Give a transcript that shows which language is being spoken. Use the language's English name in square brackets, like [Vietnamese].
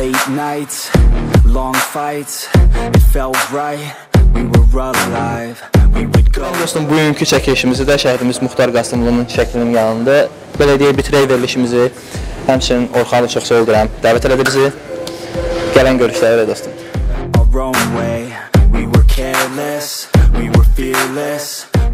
[English] Nights, long fights, it felt right, we were alive, we would go. [Azerbaijani] Dostum, bugünkü çəkilişimizi də şəhidimiz Muxtar Qasımlının şəklinin yanında belə deyə bitirək verilişimizi. Həmçinin Orxanı çox sevdirəm, dəvət elədi bizi. Gələn görüşlər, evə dostum. [English] Our own way, we were careless, we were fearless.